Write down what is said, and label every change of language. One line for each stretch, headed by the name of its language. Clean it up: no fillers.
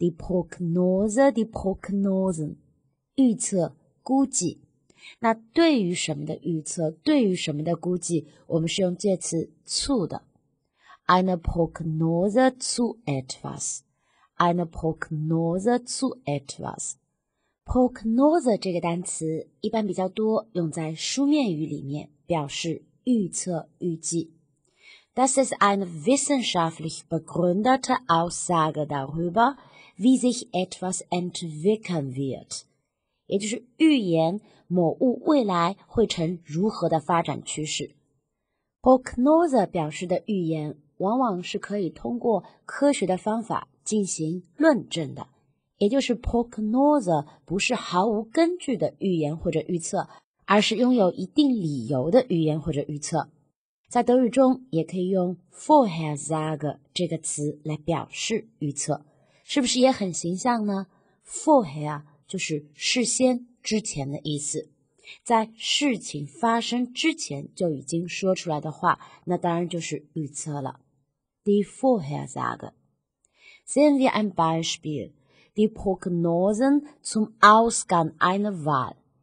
German: Die Prognose,
Chinese: 预测估计。那对于什么的预测，对于什么的估计，我们是用介词 zu 的。
German: Eine Prognose zu etwas.
Chinese: Prognose 这个单词一般比较多用在书面语里面，表示预测预计。
German: Das ist eine wissenschaftlich begründete Aussage darüber,wie sich etwas entwickeln wird.
Chinese: 也就是预言某物未来会呈如何的发展趋势。 Prognose 表示的预言往往是可以通过科学的方法进行论证的。也就是 Prognose 不是毫无根据的预言或者预测，而是拥有一定理由的预言或者预测。在德语中也可以用 Vorhersage 这个词来表示预测。是不是也很形象呢 ?Vorher 就是事先之前的意思。在事情发生之前就已经说出来的话，那当然就是预测了。
German: Die Vorhersage. Sehen wir ein Beispiel. Die Prognosen zum Ausgang einer Wahl.